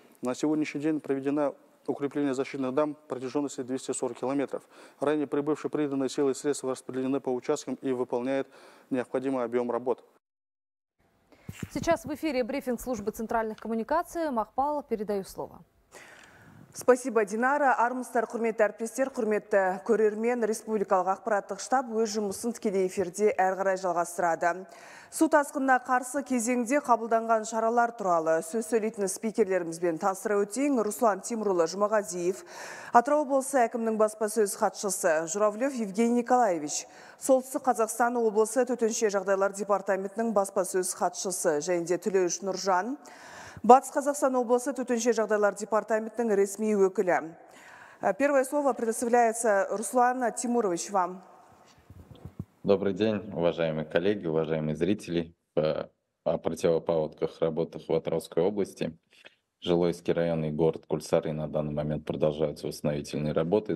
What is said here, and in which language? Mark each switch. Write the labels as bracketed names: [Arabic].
[Russian] На сегодняшний день проведено укрепление защитных дам протяженностью 240 километров. Ранее прибывшие приданные силы и средства распределены по участкам и выполняют необходимый объем работ. Сейчас в эфире брифинг службы центральных коммуникаций. Мақпал, передаю слово. Спасибо, Динара. [Kazakh] Армыстар, құрметті әрпестер, құрметті көрермен, республикалық ақпараттық штаб өз жұмысын тікелей эфирде әрғарай жалғастырады. Су тасқынына қарсы кезеңде қабылданған шаралар туралы сөз сөйлейтін спикерлерімізбен таныстыра өтейін. Руслан Тимурұлы Жұмағазиев, Атырау облысы әкімінің баспасөз хатшысы Журавлев Евгений Николаевич, солтүстік Қазақстан облысы төтенше жағдайлар департаментінің баспасөз хатшысы және де Түлеуш Нұржан, Батыс Қазақстан облысы төтенше жағдайлар департаментінің ресми өкілі. [Russian] Первое слово предоставляется Руслан Тимурович вам. Добрый день, уважаемые коллеги, уважаемые зрители. О противопаводках работах в Атырауской области. Жилойский район и город Кульсары на данный момент продолжаются восстановительные работы.